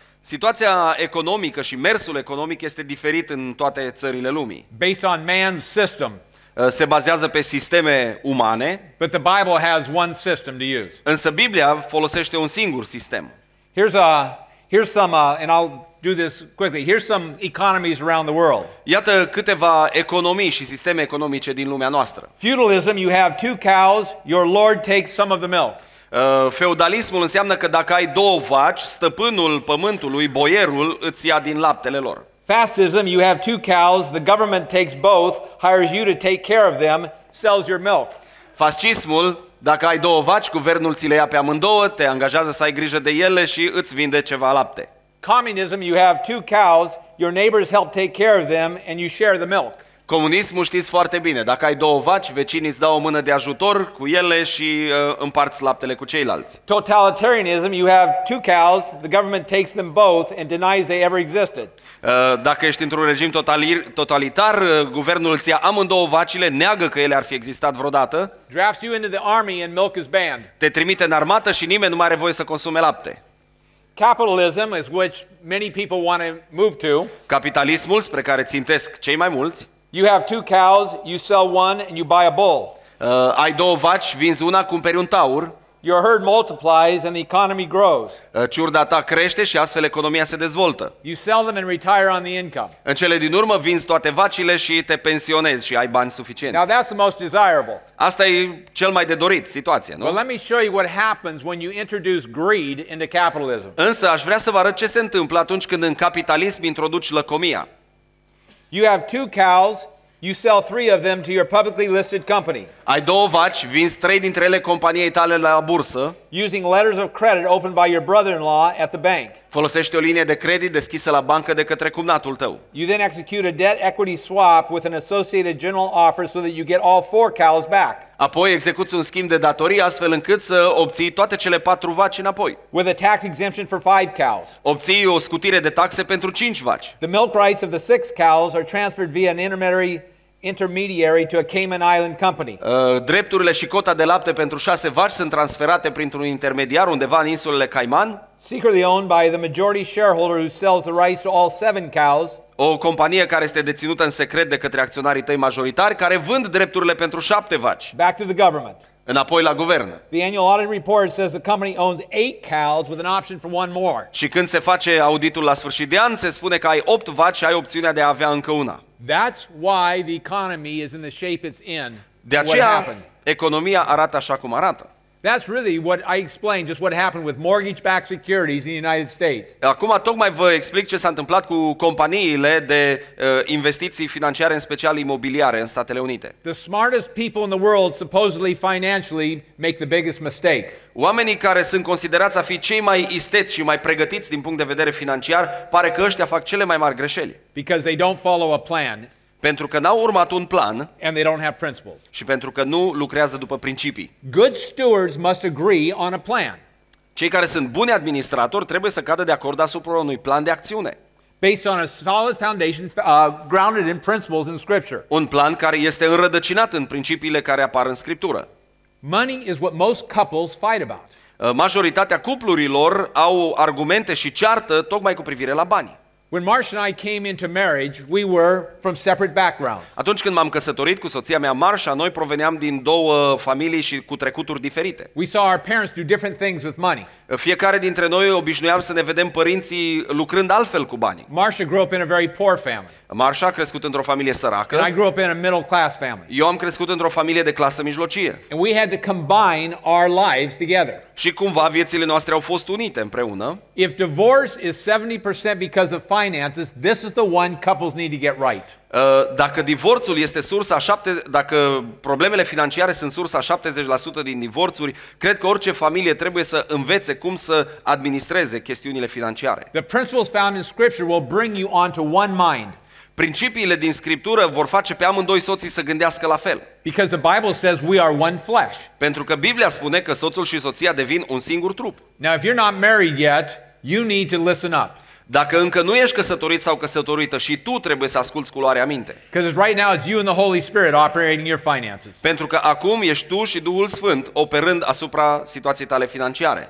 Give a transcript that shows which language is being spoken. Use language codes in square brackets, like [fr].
[ro] Situația economică și mersul economic este diferit în toate țările lumii. [en] Based on man's system. [ro] Se bazează pe sisteme umane. [en] But the Bible has one system to use. [ro] Însă Biblia folosește un singur sistem. [en] Here's some economies around the world. [ro] Iată câteva economii și sisteme economice din lumea noastră. [en] Feudalism, you have two cows, your lord takes some of the milk. [ro] Feudalismul înseamnă că dacă ai două vaci, stăpânul pământului, boierul, îți ia din laptele lor. [en] Fascism, you have two cows, the government takes both, hires you to take care of them, sells your milk. [ro] Fascismul, dacă ai două vaci, guvernul ți le ia pe amândouă, te angajează să ai grijă de ele și îți vinde ceva lapte. [en] Communism, you have two cows, your neighbors help take care of them and you share the milk. [ro] Comunismul știți foarte bine, dacă ai două vaci, vecinii îți dau o mână de ajutor cu ele și împarți laptele cu ceilalți. [en] Totalitarianism, you have two cows, the government takes them both and denies they ever existed. [ro] Dacă ești într-un regim totalitar, guvernul îți ia amândouă vacile, neagă că ele ar fi existat vreodată. [en] Drafts you into the army and milk is banned. [ro] Te trimite în armată și nimeni nu mai are voie să consume lapte. [en] Capitalism is which many people want to move to. [ro] Capitalismul spre care țintesc cei mai mulți. [en] You have two cows, you sell one and you buy a bull. [ro] Ai două vaci, vinzi una, cumperi un taur. [en] Your herd multiplies and the economy grows. [ro] Ciurda ta crește și astfel economia se dezvoltă. [en] You sell them and retire on the income. [ro] În cele din urmă vinzi toate vacile și te pensionezi și ai bani suficienți. [en] Now that's the most desirable. [ro] Asta e cel mai de dorit situație, nu? [en] Well, let me show you what happens when you introduce greed into capitalism. [ro] Însă aș vrea să vă arăt ce se întâmplă atunci când în capitalism introduci lăcomia. [en] You have two cows, you sell three of them to your publicly listed company. [ro] Ai două vaci, vinzi trei dintre ele companiei tale la bursă. [en] Using letters of credit opened by your brother-in-law at the bank. [ro] Folosește o linie de credit deschisă la bancă de către cumnatul tău. [en] You then execute a debt equity swap with an associated general offer so that you get all four cows back. [ro] Apoi execuți un schimb de datorii astfel încât să obții toate cele patru vaci înapoi. [en] With a tax exemption for five cows. [ro] Obții o scutire de taxe pentru cinci vaci. [en] The milk rights of the six cows are transferred via an intermediary to a Cayman Island company. [ro] Drepturile și cota de lapte pentru 6 vaci sunt transferate printr-un intermediar undeva în insulele Cayman. [en] Secretly owned by the majority shareholder who sells the rights to all 7 cows. [ro] O companie care este deținută în secret de către acționarii tăi majoritari care vând drepturile pentru 7 vaci. [en] Back to the government. [ro] Înapoi la guvern. [en] The annual audit report says the company owns 8 cows with an option for one more. [ro] Și când se face auditul la sfârșit de an, se spune că ai 8 vaci și ai opțiunea de a avea încă una. [en] That's why the economy is in the shape it's in. [ro] De aceea economia arată așa cum arată. [en] That's really what I explained, just what happened with mortgage-backed securities in the United States. [ro] Acum tocmai vă explic ce s-a întâmplat cu companiile de investiții financiare, în special imobiliare, în Statele Unite. [en] The smartest people in the world supposedly financially make the biggest mistakes. [ro] Oamenii care sunt considerați a fi cei mai isteți și mai pregătiți din punct de vedere financiar, pare că ăștia fac cele mai mari greșeli. [en] Because they don't follow a plan. [ro] Pentru că n-au urmat un plan [en] and they don't have principles. [ro] Și pentru că nu lucrează după principii. [en] Good stewards must agree on a plan. [ro] Cei care sunt buni administratori trebuie să cadă de acord asupra unui plan de acțiune. [en] Based on a solid foundation grounded in principles in scripture. [ro] Un plan care este înrădăcinat în principiile care apar în scriptură. [en] Money is what most couples fight about. [ro] Majoritatea cuplurilor au argumente și ceartă tocmai cu privire la bani. [en] When Marsh and I came into marriage, we were from separate backgrounds. [ro] Atunci când m-am căsătorit cu soția mea Marsha, noi proveneam din două familii și cu trecuturi diferite. [en] We saw our parents do different things with money. [ro] Fiecare dintre noi obișnuiam să ne vedem părinții lucrând altfel cu banii. [en] Marsha grew up in a very poor family. [ro] Marsha a crescut într-o familie săracă. [en] And I grew up in a middle class family. [ro] Eu am crescut într-o familie de clasă mijlocie. [en] And we had to combine our lives together. [ro] Și cumva viețile noastre au fost unite împreună. [en] If divorce is 70% because of finances, this is the one couples need to get right. [ro] Dacă divorțul este sursa dacă problemele financiare sunt sursa 70% din divorțuri, cred că orice familie trebuie să învețe cum să administreze chestiunile financiare. [en] The principles found in scripture will bring you onto one mind. [ro] Principiile din scriptură vor face pe amândoi soții să gândească la fel. [en] Because the Bible says we are one flesh. [ro] Pentru că Biblia spune că soțul și soția devin un singur trup. [en] Now if you're not married yet, you need to listen up. [ro] Dacă încă nu ești căsătorit sau căsătorită și tu trebuie să asculți cu luarea minte. [en] Because right now it's you and the Holy Spirit operating your finances. [ro] Pentru că acum ești tu și Duhul Sfânt operând asupra situației tale financiare.